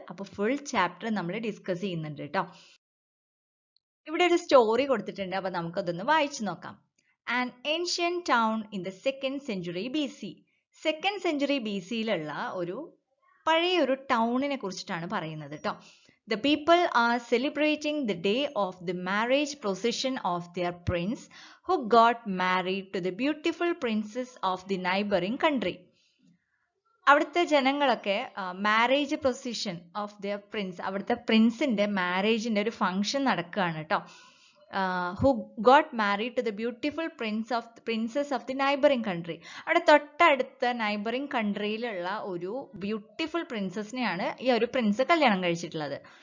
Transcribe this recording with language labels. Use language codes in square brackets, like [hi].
[ml] അപ്പോൾ full chapter നമ്മൾ discuss ചെയ്യുന്നുണ്ട് കേട്ടോ. ഇവിടെ ഒരു സ്റ്റോറി കൊടുത്തിട്ടുണ്ട്, അപ്പോൾ നമുക്കതൊന്ന് വായിച്ചു നോക്കാം. [en] An ancient town in the second century B C. [ml] Second century B സിയിലുള്ള ഒരു പഴയ ഒരു ടൗണിനെ കുറിച്ചിട്ടാണ് പറയുന്നത് കേട്ടോ. [en] The people are celebrating the day of the marriage procession of their prince who got married to the beautiful princess of the neighboring country. [ml] അവിടുത്തെ ജനങ്ങളൊക്കെ [en] marriage procession of their prince, [ml] അവിടുത്തെ പ്രിൻസിന്റെ മാരേജിന്റെ ഒരു ഫംഗ്ഷൻ നടക്കുകയാണ് കേട്ടോ. [en] Who got married to the beautiful princess of the neighbouring country. [ml] അവിടെ തൊട്ടടുത്ത neighbouring കൺട്രിയിലുള്ള ഒരു beautiful പ്രിൻസസിനെയാണ് ഈ ഒരു പ്രിൻസ് കല്യാണം കഴിച്ചിട്ടുള്ളത്.